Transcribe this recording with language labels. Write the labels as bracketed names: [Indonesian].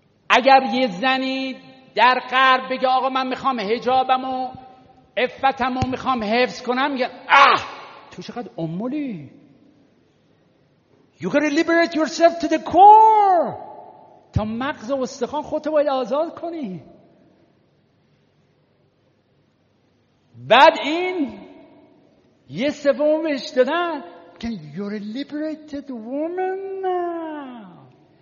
[Persian] اگر یه زنی در غرب بگه آقا من میخوام حجابمو عفتمو میخوام حفظ کنم، میگه اه تو چقدر امولی. [English] You gotta liberate yourself to the core. [Persian] تا مغز و استخوان خودتو باید آزاد کنی. بعد این 1/3 دادن، [English] can you liberate the woman now.